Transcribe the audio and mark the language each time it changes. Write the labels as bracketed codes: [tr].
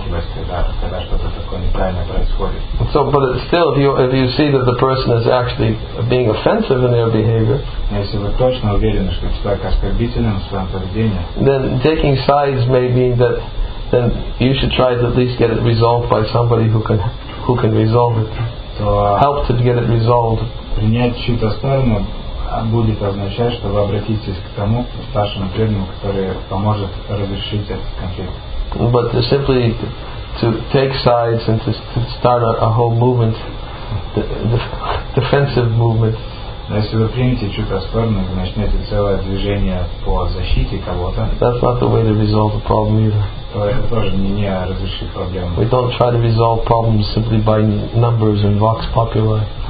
[en] So, but still, if you see that the person is actually being offensive in their behavior, then taking sides may mean that. Then you should try to at least get it resolved by somebody who can resolve it. So, help to get it resolved. [ru] Принять чью-то сторону будет означать, что вы обратитесь к тому старшему преданному, который поможет разрешить этот конфликт. [en] But to simply to take sides and to start a whole movement, the defensive movement. [ru] Но если вы примете чью-то сторону, вы начнете целое движение по защите кого-то. [en] That's not the way to resolve the problem either. We don't try to resolve problems simply by numbers and vox populi.